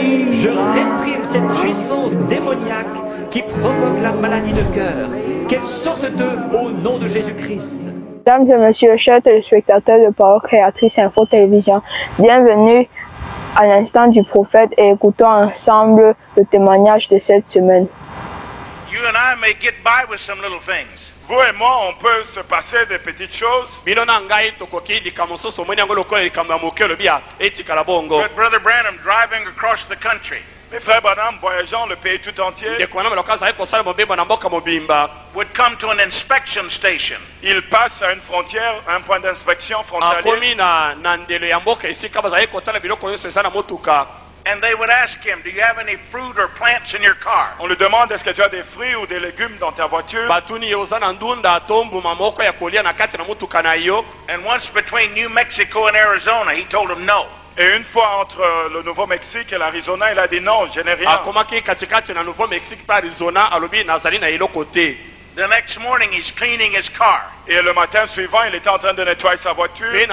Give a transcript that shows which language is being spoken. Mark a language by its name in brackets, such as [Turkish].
[French] Je réprime cette puissance démoniaque qui provoque la maladie de cœur. Qu'elle sorte d'eux au nom de Jésus-Christ. Mesdames et messieurs, chers téléspectateurs de Parole Créatrice Info Télévision, bienvenue à l'instant du prophète et écoutons ensemble le témoignage de cette semaine. [English] You and I may get by with some little things. [French] Vous et moi, on peut se passer des petites choses. [English] But Brother Branham driving across the country. [French] Mais Frère Branham voyageant le pays tout entier, [English] would come to an inspection station. [French] Il passe à une frontière, un point d'inspection frontalier. [English] And they would ask him, do you have any fruit or plants in your car? [French] On lui demande, est-ce que tu as des fruits ou des légumes dans ta voiture? [English] And once between New Mexico and Arizona, he told him no. [French] Et une fois entre le Nouveau-Mexique et l'Arizona, il a dit non, je n'ai rien. [English] The next morning, he's cleaning his car. [French] Et le matin suivant, il était en train de nettoyer sa voiture.